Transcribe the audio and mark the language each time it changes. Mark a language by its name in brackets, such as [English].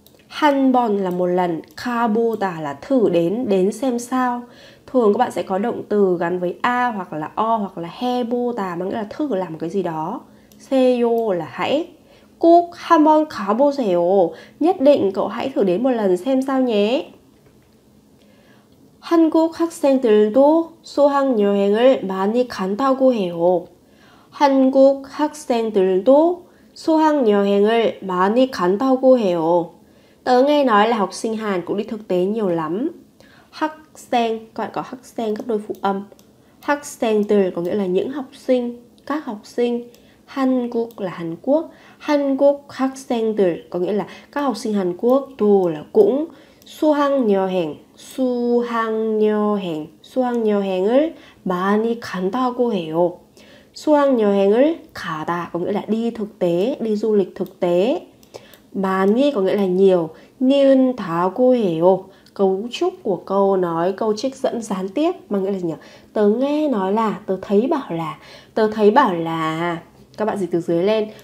[Vietnamese] 한번 là một lần, 가보다 là thử đến, đến xem sao. Thường các bạn sẽ có động từ gắn với a hoặc là o hoặc là 해보다 mà nghĩa là thử làm một cái gì đó. [Korean] 세요 [Vietnamese] là hãy. [Korean] 꼭 한번 가보세요. [Vietnamese] Nhất định cậu hãy thử đến một lần xem sao nhé. [Korean] 한국 학생들도 수학 여행을 많이 간다고 해요. 한국 학생들도 수학 여행을 많이 간다고 해요. [Vietnamese] Tớ nghe nói là học sinh Hàn cũng đi thực tế nhiều lắm. 학생, các bạn có 학생 gấp đôi phụ âm. 학생들 có nghĩa là những học sinh, các học sinh. 한국 là Hàn Quốc. 한국 학생들 có nghĩa là các học sinh Hàn Quốc. 도 là cũng. [Korean] 수학 여행, 수학 여행, 수학 여행을 많이 간다고 해요. [Vietnamese] 수학 여행을 가다 có nghĩa là đi thực tế, đi du lịch thực tế. 많이 có nghĩa là nhiều. [Korean] 는 다고 해요. [Vietnamese] Cấu trúc của câu nói, câu trích dẫn gián tiếp mà nghĩa là gì nhỉ? Tớ nghe nói là, tớ thấy bảo là, tớ thấy bảo là. Các bạn dịch từ dưới lên.